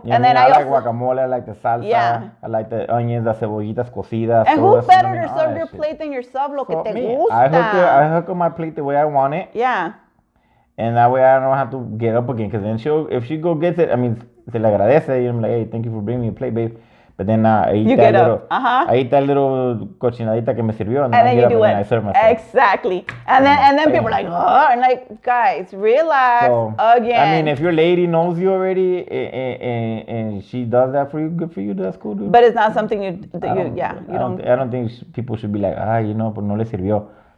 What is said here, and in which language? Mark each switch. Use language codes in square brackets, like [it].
[en] I like guacamole, I like the salsa, I like the onions, the [es] cebollitas cocidas. [en] And who better to serve your plate than yourself, gusta. I hook up my plate the way I want it. Yeah. And that way I don't have to get up again, because then if she go gets it, I mean, [es] se le agradece, [en] you know, like, hey, thank you for bringing me a plate, babe. But then you get up. [es] Ahí está el little cochinadita que me sirvió. [en] And then you do what? I serve myself. Exactly. And then people are like, oh, and like, guys, relax again. I mean, if your lady knows you already and she does that for you, good for you. That's cool, dude. But it's not something you don't. I don't think people should be like, you know, [es] pero no le sirvió.